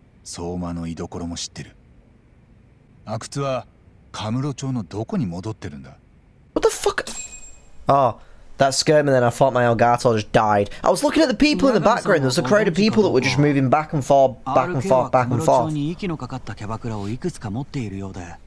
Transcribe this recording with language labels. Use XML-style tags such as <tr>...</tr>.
<ja>相馬の居所も知ってる 阿久津はカムロ町のどこに戻ってるんだ</ja> <en>What the fuck? Oh, that scared me then I thought my Elgato just died. I was looking at the people in the background. There was a crowd of people that were just moving back and forth, back and forth, back and forth.</en> <ja>RKはカムロ町に息のかかったキャバクラをいくつか持っているようで</ja>